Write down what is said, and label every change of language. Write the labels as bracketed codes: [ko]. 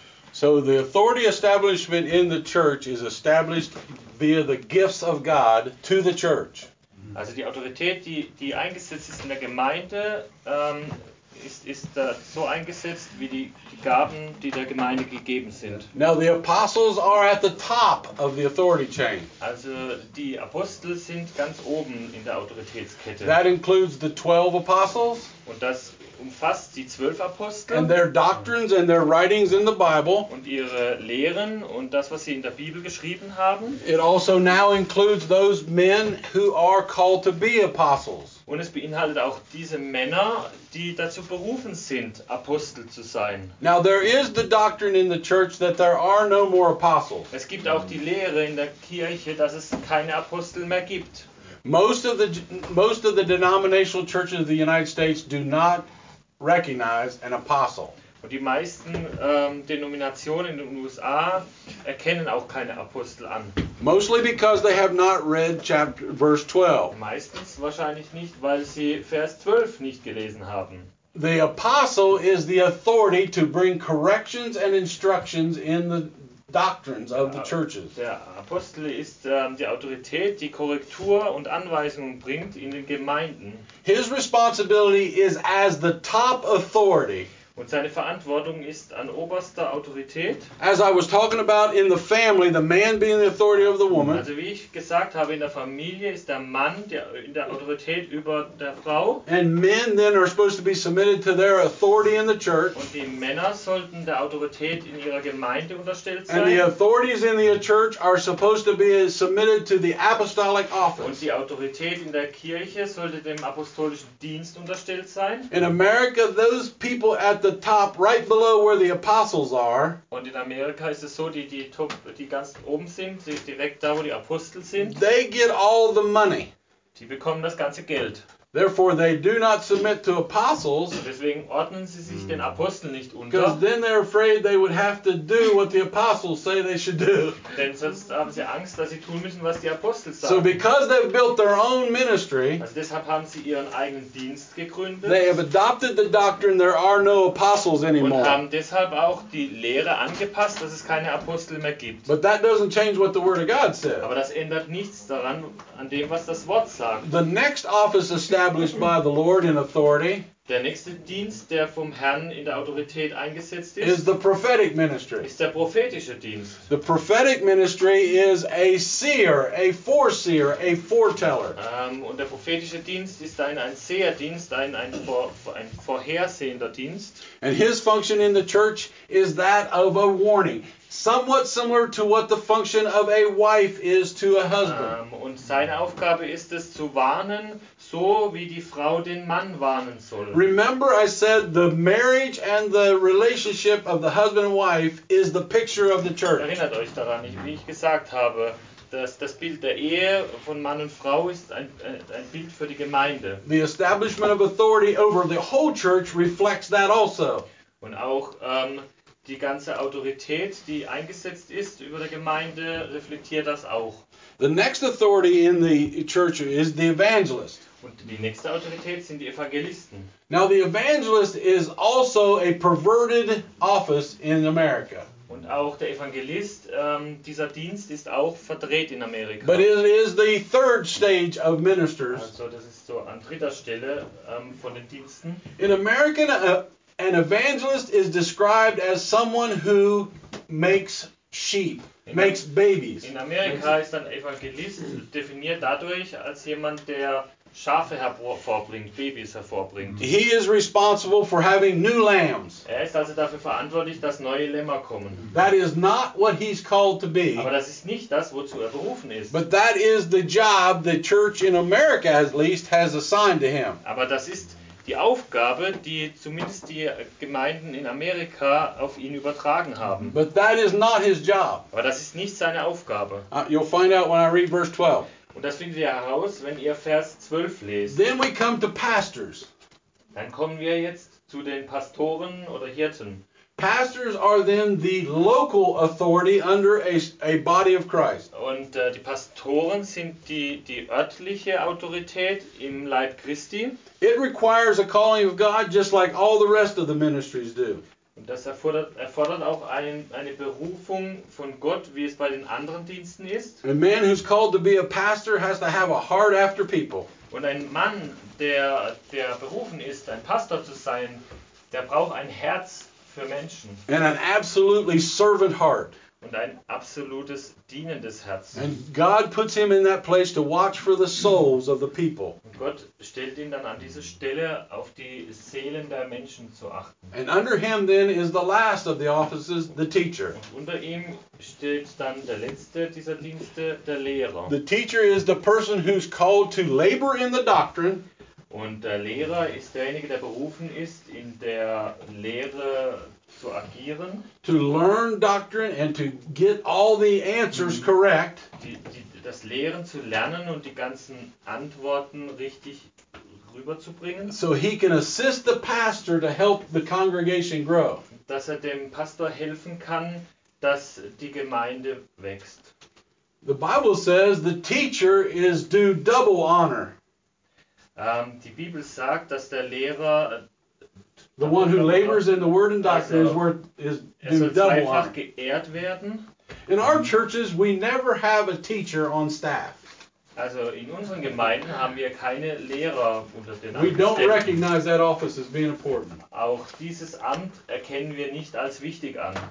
[en] So the authority establishment in the church is established via the gifts of God to the church. [de] Also die Autorität, die eingesetzt ist in der Gemeinde, ist so eingesetzt wie die Gaben, die der Gemeinde gegeben sind. [en] Now the apostles are at the top of the authority chain. [de] Also die Apostel sind ganz oben in der Autoritätskette. [en] That includes the 12 apostles. [de] Und das umfasst die 12 Apostel. [en] And their doctrines and their writings in the Bible. [de] Und ihre Lehren und das, was sie in der Bibel geschrieben haben. [en] It also now includes those men who are called to be apostles. [de] Und es beinhaltet auch diese Männer, die dazu berufen sind, Apostel zu sein. [en] Now there is the doctrine in the church that there are no more apostles. [de] Es gibt auch die Lehre in der Kirche, dass es keine Apostel mehr gibt. [en] Most of the denominational churches of the United States do not recognize an apostle. [de] Und die meisten Denominationen in den USA erkennen auch keine Apostel an. [en] Mostly because they have not read chapter verse 12. [de] Meistens wahrscheinlich nicht, weil sie Vers 12 nicht gelesen haben. [en] The apostle is the authority to bring corrections and instructions in the doctrines of the churches. [de] Der Apostel ist die Autorität, die Korrektur und Anweisungen bringt in den Gemeinden. [en] His responsibility is as the top authority. [de] Und seine Verantwortung ist an oberster Autorität. [en] As I was talking about in the family, the man being the authority of the woman. [de] Also wie ich gesagt habe, in der Familie ist der Mann in der Autorität über der Frau. [en] And men then are supposed to be submitted to their authority in the church. [de] Und die Männer sollten der Autorität in ihrer Gemeinde unterstellt sein. [en] And the authorities in the church are supposed to be submitted to the apostolic office. [de] Und die Autorität in der Kirche sollte dem apostolischen Dienst unterstellt sein. [en] In America, those people at the top, right below where the apostles are. [de] Und in Amerika ist es so, die ganz oben sind, direkt da, wo die Apostel sind. [en] They get all the money. [de] Die bekommen das ganze Geld. [en] Therefore, they do not submit to apostles. [de] Deswegen ordnen sie sich den Aposteln nicht unter. [en] Because then they're afraid they would have to do what the apostles say they should do. [de] Denn sonst haben sie Angst, dass sie tun müssen, was die Apostel sagen. [en] So because they've built their own ministry. [de] Also deshalb haben sie ihren eigenen Dienst gegründet. [en] They have adopted the doctrine there are no apostles anymore. [de] Und haben deshalb auch die Lehre angepasst, dass es keine Apostel mehr gibt. [en] But that doesn't change what the Word of God said. [de] Aber das ändert nichts daran, an dem, was das Wort sagt. [en] The next office established by the Lord in authority. [de] Der nächste Dienst, der vom Herrn in der Autorität eingesetzt ist, [en] is the prophetic ministry. [de] Ist der prophetische Dienst. [en] The prophetic ministry is a seer, a foreseer, a foreteller. [de] Und der prophetische Dienst ist ein Seherdienst, ein vorhersehender Dienst. [en] And his function in the church is that of a warning. Somewhat similar to what the function of a wife is to a husband. [de] Und seine Aufgabe ist es zu warnen, so wie die Frau den Mann warnen soll. [en] Remember I said the marriage and the relationship of the husband and wife is the picture of the church. [de] Erinnert euch daran, wie ich gesagt habe, dass das Bild der Ehe von Mann und Frau ist ein Bild für die Gemeinde. [en] The establishment of authority over the whole church reflects that also. [de] Und auch die ganze Autorität, die eingesetzt ist über der Gemeinde, reflektiert das auch. [en] The next authority in the church is the evangelist. [de] Und die nächste Autorität sind die Evangelisten. [en] Now the evangelist is also a perverted office in America. [de] Und auch der Evangelist, dieser Dienst ist auch verdreht in Amerika. [en] But it is the third stage of ministers. [de] Also das ist so an dritter Stelle von den Diensten. [en] In America, an evangelist is described as someone who makes sheep, makes babies. [de] In Amerika ist ein Evangelist definiert dadurch als jemand, der Schafe hervorbringt, Babys hervorbringt. [en] He is responsible for having new lambs. [de] Er ist also dafür verantwortlich, dass neue Lämmer kommen. [en] That is not what he's called to be. [de] Aber das ist nicht das, wozu er berufen ist. [en] But that is the job the church in America, at least, has assigned to him. [de] Aber das ist die Aufgabe, die zumindest die Gemeinden in Amerika auf ihn übertragen haben. [en] But that is not his job. [de] Aber das ist nicht seine Aufgabe. [en] You'll find out when I read verse 12. [de] Und das finden wir heraus, wenn ihr Vers 12 lest. [en] Then we come to pastors. [de] Dann kommen wir jetzt zu den Pastoren oder Hirten. [en] Pastors are then the local authority under a body of Christ. [de] Und die Pastoren sind die örtliche Autorität im Leib Christi. [en] It requires a calling of God just like all the rest of the ministries do. [de] Und das erfordert auch eine Berufung von Gott, wie es bei den anderen Diensten ist. [en] A man who's called to be a pastor has to have a heart after people. [de] Und ein Mann, der berufen ist, ein Pastor zu sein, der braucht ein Herz für Menschen. [en] And an absolutely servant heart. [de] Und ein absolutes dienendes Herz. [en] And God puts him in that place to watch for the souls of the people. [de] Und Gott stellt ihn dann an diese Stelle, auf die Seelen der Menschen zu achten. [en] And under him then is the last of the offices, the teacher. [de] Und unter ihm steht dann der letzte dieser Dienste, der Lehrer. [en] The teacher is the person who's called to labor in the doctrine. [de] Und der Lehrer ist derjenige, der berufen ist, in der Lehre zu agieren, [en] to learn doctrine and to get all the answers correct, [de] das Lehren zu lernen und die ganzen Antworten richtig rüberzubringen, [en] so he can assist the pastor to help the congregation grow, [de] dass er dem Pastor helfen kann, dass die Gemeinde wächst. [en] The Bible says the teacher is due double honor. [de] Die Bibel sagt, dass der Lehrer [en] the one who labors in the word and doctrine is worth is due double honor. In our churches, we never have a teacher on staff. [de] Also in unseren Gemeinden haben wir keine Lehrer unter den Angestellten. [en] We don't recognize that office as being important. [de] Auch dieses Amt erkennen wir nicht als wichtig an.